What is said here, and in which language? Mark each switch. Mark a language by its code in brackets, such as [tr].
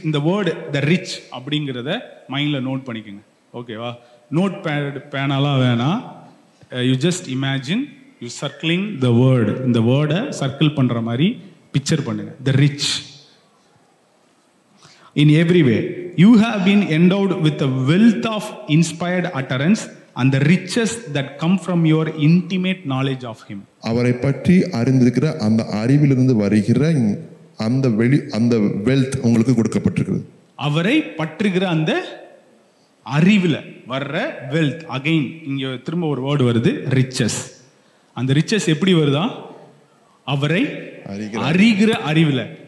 [ta] இந்த word, [en] the rich [ta] அப்படிங்கறத மைண்ட்ல நோட் பண்ணிக்கங்க. ஓகேவா? நோட் பேட் பேனாலா வேணா, [en] you just imagine you circling the word. [ta] இந்த word circle பண்ற மாதிரி picture பண்ணுங்க. [en] The rich in every way. You have been endowed with a wealth of inspired utterance and the riches that come from your intimate knowledge of him. [ta] அவரை பற்றி அறிந்திருக்கிற அந்த அறிவிலிருந்து வருகிற அந்த வெளி அந்த வெல்த் உங்களுக்கு கொடுக்கப்பட்டிருக்கிறது. அவரை பற்றுகிற அந்த அறிவில் வர்ற வெல்த், அகைன் இங்க திரும்ப ஒரு வேர்டு வருது, ரிச்சஸ். அந்த ரிச்சஸ் எப்படி வருதா? அவரை அறிகிற அறிவில்.